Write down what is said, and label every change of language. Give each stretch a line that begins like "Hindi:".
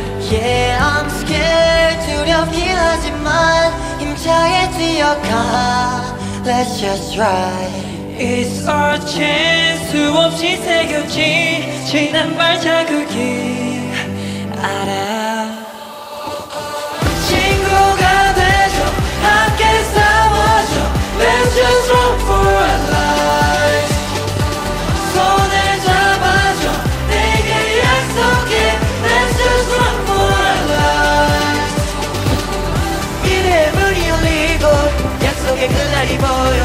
English: Yeah, I'm scared
Korean: 두렵긴 하지만 힘차게 뛰어가.
English: Let's just try. It's our chance.
Korean: 수없이 새겨진 진한 발자국이 알아. 친구가 돼줘 함께 싸워줘.
English: Let's just run for our lives.
Korean: 손을 잡아줘 내게 약속해.
English: Let's just run for our lives.
Korean: 미래의 문이 열리고 약속의 끝날이 보여.